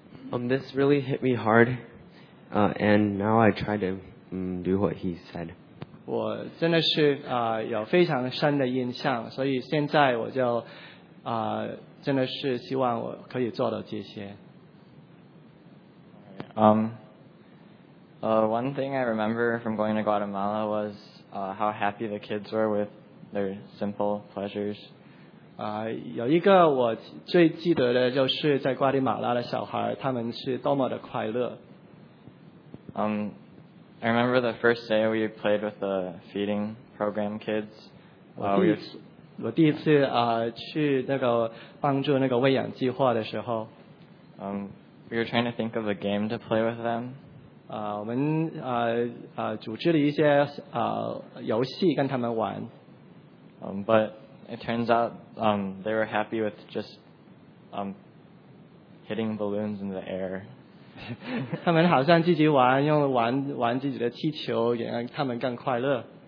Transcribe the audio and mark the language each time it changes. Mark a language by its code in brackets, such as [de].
[en] This really hit me hard and now I try to do what he said [zh] 我真的是有非常深的印象所以现在我就真的是希望我可以做到这些 [en] One thing I remember from going to Guatemala was how happy the kids were with their simple pleasures. [zh] 有一个我最记得的就是在瓜地马拉的小孩，他们是多么的快乐。 [en] I remember the first day we played with the feeding program kids. [zh] 我第一次去那个帮助那个喂养计划的时候。 [en] We were trying to think of a game to play with them. [zh] 我们组织了一些游戏跟他们玩。 [en] But it turns out they were happy with just hitting balloons in the air. [zh] 他们好像自己玩，用玩自己的气球，也让他们更快乐。